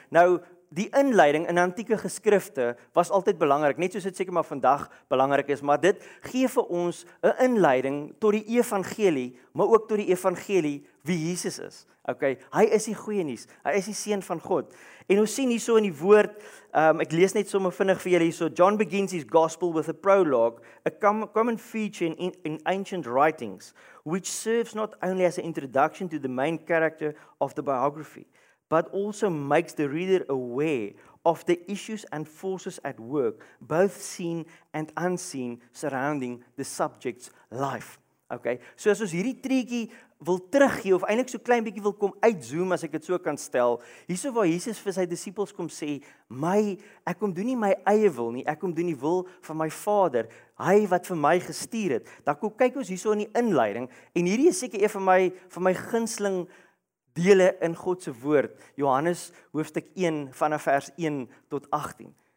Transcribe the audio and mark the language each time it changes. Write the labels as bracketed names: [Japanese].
[Afrikaans] Nou die inleiding in antieke geskrifte was altyd belangrik, net soos dit seker maar vandag belangrik is, maar dit gee vir ons 'n inleiding tot die evangelie, maar ook tot die evangelie wie Jesus is. Okay, hy is die goeie nuus. Hy is die seun van God. En ons sien hierso in die woord, ek lees net sommer vinnig vir julle hierso. [English] John begins his gospel with a prologue, a common feature in ancient writings, which serves not only as an introduction to the main character of the biography, but also makes the reader aware of the issues and forces at work, both seen and unseen, surrounding the subject's life. [Afrikaans] Okay, so as ons hierdie treetjie wil teruggee, of eintlik so klein bietjie wil kom uitzoom, as ek dit so kan stel, hierso waar Jesus vir sy disippels kom sê, ek kom doen nie my eie wil nie, ek kom doen die wil van my Vader, hy wat vir my gestuur het. Dan kom kyk ons hierso in die inleiding, en hierdie is seker een van my gunsteling dele in God se woord, Johannes hoofstuk 1 vanaf vers 1 tot 18.